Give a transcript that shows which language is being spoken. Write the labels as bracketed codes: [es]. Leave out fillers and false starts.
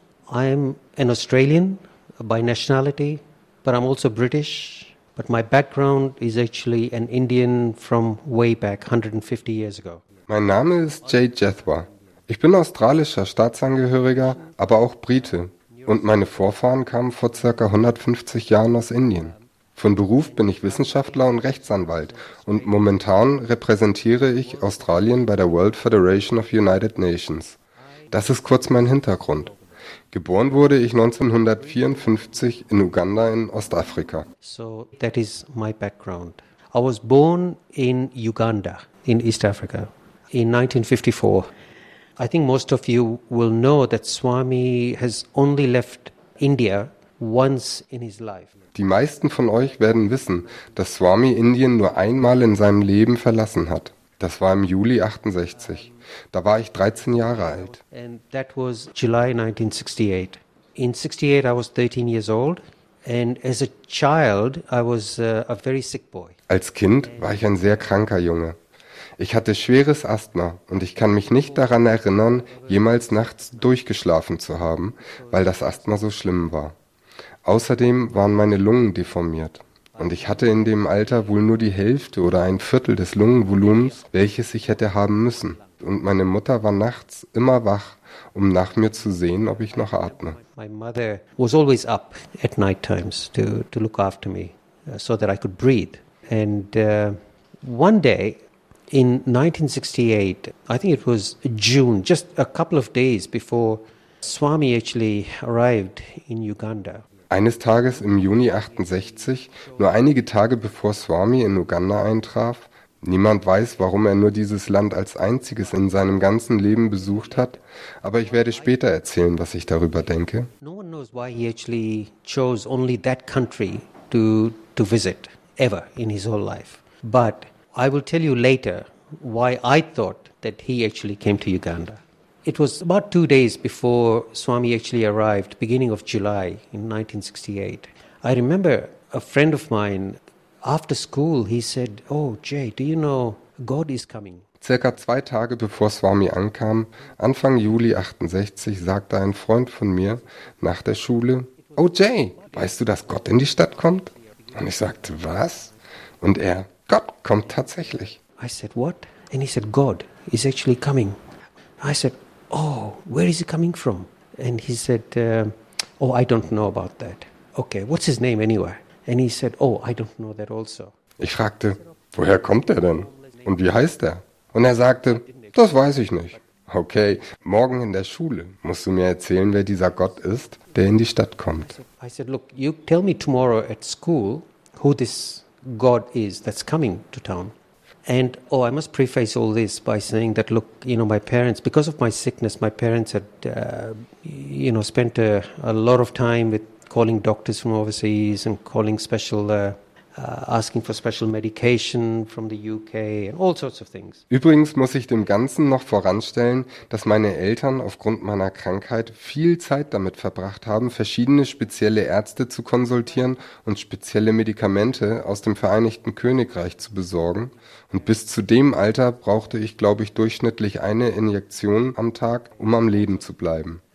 [en] I'm an Australian by nationality, but I'm also British. But my background is actually an Indian from way back, 150 years ago. [de] Mein Name ist Jay Jetwa. Ich bin australischer Staatsangehöriger, aber auch Brite. Und meine Vorfahren kamen vor ca. 150 Jahren aus Indien. Von Beruf bin ich Wissenschaftler und Rechtsanwalt und momentan repräsentiere ich Australien bei der World Federation of United Nations. Das ist kurz mein Hintergrund. Geboren wurde ich 1954 in Uganda in Ostafrika. [en] So that is my background. I was born in Uganda in East Africa in 1954. I think most of you will know that Swami has only left India once in his life. [de] Die meisten von euch werden wissen, dass Swami Indien nur einmal in seinem Leben verlassen hat. Das war im Juli 68. Da war ich 13 Jahre alt. [en] And that was July 1968. In 68 I was 13 years old and as a child I was a very sick boy. [de] Als Kind war ich ein sehr kranker Junge. Ich hatte schweres Asthma und ich kann mich nicht daran erinnern, jemals nachts durchgeschlafen zu haben, weil das Asthma so schlimm war. Außerdem waren meine Lungen deformiert und ich hatte in dem Alter wohl nur die Hälfte oder ein Viertel des Lungenvolumens, welches ich hätte haben müssen. Und meine Mutter war nachts immer wach, um nach mir zu sehen, ob ich noch atme. [en] My mother was always up at night times to look after me, so that I could breathe. And one day in 1968, I think it was June, just a couple of days before Swami actually arrived in Uganda. [de] Eines Tages im Juni 68, nur einige Tage bevor Swami in Uganda eintraf, niemand weiß, warum er nur dieses Land als einziges in seinem ganzen Leben besucht hat, aber ich werde später erzählen, was ich darüber denke. [en] No one knows why he actually chose only that country to visit ever in his whole life. But I will tell you later why I thought that he actually came to Uganda. It was about 2 days before Swami actually arrived, beginning of July in 1968. I remember a friend of mine, after school, he said, "Oh, Jay, do you know God is coming?" [de] Circa 2 Tage bevor Swami ankam, Anfang Juli 68, sagte ein Freund von mir nach der Schule, "Oh, Jay, weißt du, dass Gott in die Stadt kommt?" Und ich sagte, "Was?" Und er, "Gott kommt tatsächlich." [en] I said, "What?" And he said, "God is actually coming." I said, "Oh, where is he coming from?" And he said, "Oh, I don't know about that. Okay, what's his name anyway?" And he said, oh, I don't know that also. [de] Ich fragte, woher kommt er denn? Und wie heißt er? Und er sagte, das weiß ich nicht. Okay, morgen in der Schule musst du mir erzählen, wer dieser Gott ist, der in die Stadt kommt. [en] I said, look, you tell me tomorrow at school who this God is that's coming to town. And oh, I must preface all this by saying that, look, you know, my parents, because of my sickness, my parents had, you know, spent a lot of time with calling doctors from overseas and calling special, asking for special medication from the UK and all sorts of things. [de] Übrigens muss ich dem Ganzen noch voranstellen, dass meine Eltern aufgrund meiner Krankheit viel Zeit damit verbracht haben, verschiedene spezielle Ärzte zu konsultieren und spezielle Medikamente aus dem Vereinigten Königreich zu besorgen. Und bis zu dem Alter brauchte ich, glaube ich, durchschnittlich eine Injektion am Tag, um am Leben zu bleiben.